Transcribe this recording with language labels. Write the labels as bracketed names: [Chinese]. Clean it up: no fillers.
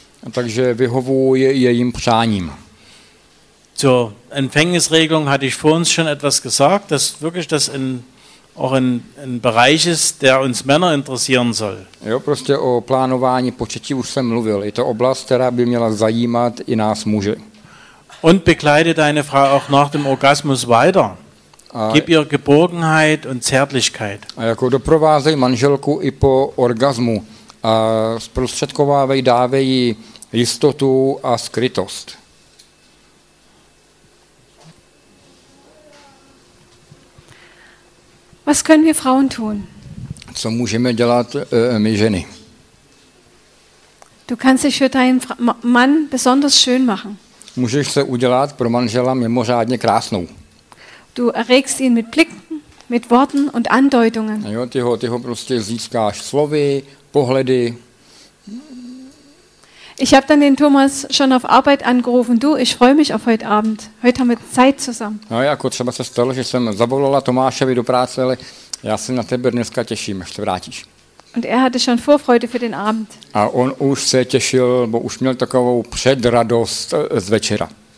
[Czech] Takže vyhovuj jejím přáním. [German] Zur Empfängnisregelung hatte ich vorhin schon etwas gesagt, dass wirklich das in auch ein Bereich ist, der uns Männer interessieren soll. [Czech] Jo, prostě o plánování početí už jsem mluvil. Je to oblast, která by měla zajímat i nás muže. [German] Und begleite deine Frau auch nach dem Orgasmus weiter. Gib ihr Geborgenheit und Zärtlichkeit. [Czech] A jako doprovázej manželku i po orgazmu a zprostředkovávej, dávej jí jistotu a skrytost. [German] Was können wir Frauen tun? [Czech] Co můžeme dělat my ženy? [German] Du kannst dich für deinen Mann besonders schön machen. [Czech] Můžeš se udělat pro manžela mimořádně krásnou. [German] Du erregst ihn mit Blicken, mit Worten und Andeutungen. [Czech] Jo, ty ho prostě získáš slovy, pohledy. [German] Ich habe dann den Thomas schon auf Arbeit angerufen. Du, ich freue mich auf heute Abend. Heute haben wir Zeit zusammen. [Czech] No, jako třeba se stalo, že jsem zavolala Tomášovi do práce, ale já se na tebe dneska těším, až se vrátíš. [German] Und er hatte schon Vorfreude für den Abend. [Czech] A on už se těšil, bo už měl takovou předradost z večera.